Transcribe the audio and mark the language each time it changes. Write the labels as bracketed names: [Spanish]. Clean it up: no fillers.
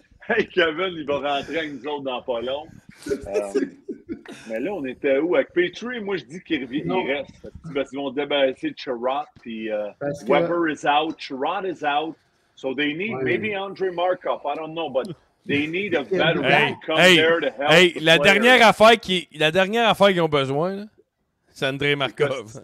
[French] Hey, Kevin, il va rentrer avec nous autres dans pas long. Mais là, on était où? Avec Petrie, moi, je dis qu'il revient, non. Il reste. Parce qu'ils vont débarrasser Chirot, puis [English] Weber is out, Chirot is out. So they need, ouais, maybe Andre Markov, I don't know, but they need a veteran to come there to help. [French] Hey, la dernière affaire qu'ils ont besoin, là, c'est André Markov.